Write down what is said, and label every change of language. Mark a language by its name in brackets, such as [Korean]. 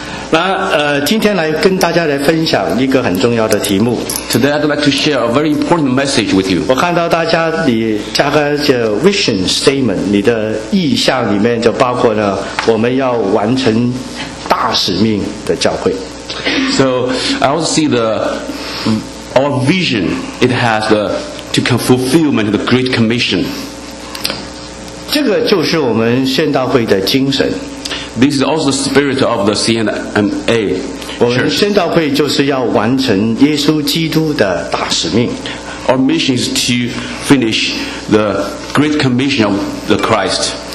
[Chinese] 那今天来跟大家来分享一个很重要的题目。 [English] Today I'd like to share a very important message with you. [Chinese] 我看到大家你加个叫 vision statement， 你的意向里面就包括呢，我们要完成大使命的教会。 [English] So I also see the our vision. It has theTo come fulfillment of the Great Commission. [Chinese] 这个就是我们宣道会的精神。 [English] This is also the spirit of the CNMA. [Chinese] 我们宣道会就是要完成耶稣基督的大使命。 [English] Our mission is to finish the Great Commission of the Christ.